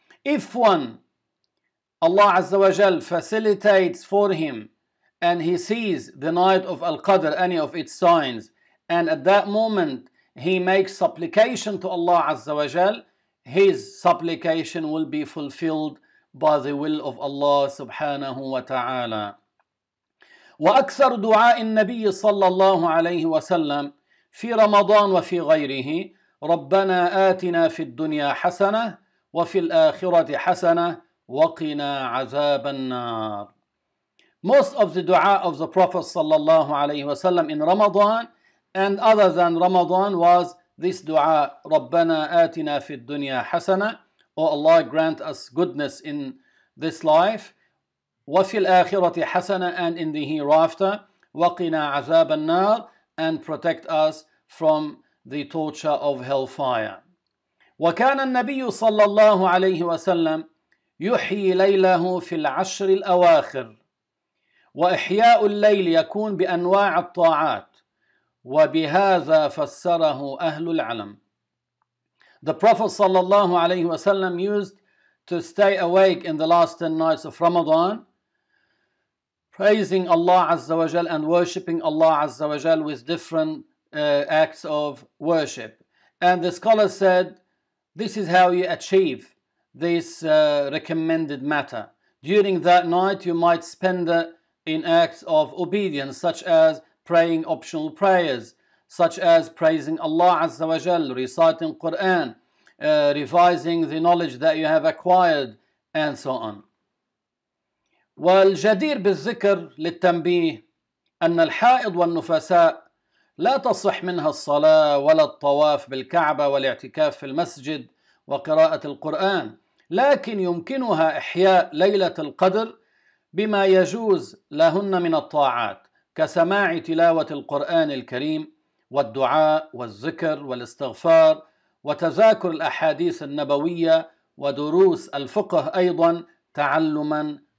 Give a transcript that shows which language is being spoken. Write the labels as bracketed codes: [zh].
[en] If one, Allah Azza wa Jal facilitates for him and he sees the night of Al-Qadr, any of its signs, and at that moment he makes supplication to Allah Azza wa Jal, his supplication will be fulfilled by the will of Allah subhanahu wa ta'ala. [ar] وأكثر دعاء النبي صلى الله عليه وسلم في رمضان وفي غيره ربنا آتنا في الدنيا حسنة وفي الآخرة حسنة وقنا عذاب النار. [en] Most of the dua of the Prophet صلى الله عليه وسلم in Ramadan and other than Ramadan was this dua: [ar] ربنا آتنا في الدنيا حسنة, [en] O Allah grant us goodness in this life, [ar] وفي الآخرة حسنة, [en] and in the hereafter, [ar] وقنا عذاب النار, [en] and protect us from the torture of hellfire. [ar] وكان النبي صلى الله عليه وسلم يحيي ليله في العشر الأواخر, وإحياء الليل يكون بأنواع الطاعات, وبهذا فسره أهل العلم. [en] The Prophet صلى الله عليه وسلم used to stay awake in the last 10 nights of Ramadan, praising Allah Azza wa Jal and worshipping Allah Azza wa Jal with different acts of worship. And the scholar said, this is how you achieve this recommended matter. During that night, you might spend it in acts of obedience, such as praying optional prayers, such as praising Allah Azza wa Jal, reciting Qur'an, revising the knowledge that you have acquired, and so on. [ar] والجدير بالذكر للتنبيه أن الحائض والنفساء لا تصح منها الصلاة ولا الطواف بالكعبة والاعتكاف في المسجد وقراءة القرآن, لكن يمكنها إحياء ليلة القدر بما يجوز لهن من الطاعات كسماع تلاوة القرآن الكريم والدعاء والذكر والاستغفار وتذاكر الأحاديث النبوية ودروس الفقه أيضا تعلما.